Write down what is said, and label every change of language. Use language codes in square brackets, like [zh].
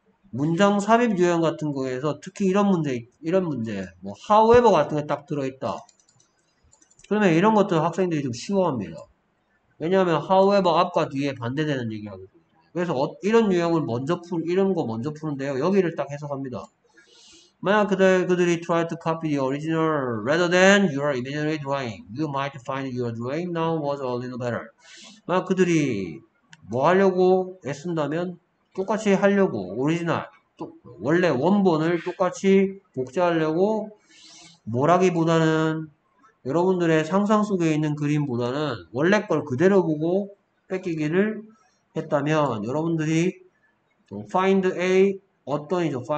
[ko] 문장 삽입 유형 같은 거에서 특히 이런 문제, 뭐 however 같은 게딱 들어있다. 그러면 이런 것들 학생들이 좀 쉬워합니다. 왜냐하면 however 앞과 뒤에 반대되는 얘기하고. 그래서 이런 유형을 먼저 풀, 이런 거 먼저 푸는데요. 여기를 딱 해석합니다. 만약 그들이 [en] try to copy the original rather than your imaginary drawing, you might find your drawing now was a little better. [ko] 만약 그들이 뭐 하려고 애쓴다면 똑같이 하려고, 오리지널, 또 원래 원본을 똑같이 복제하려고, 뭐라기보다는 여러분들의 상상 속에 있는 그림보다는 원래 걸 그대로 보고 뺏기기를 했다면, 여러분들이 [en] find a, [ko] 어떤이죠?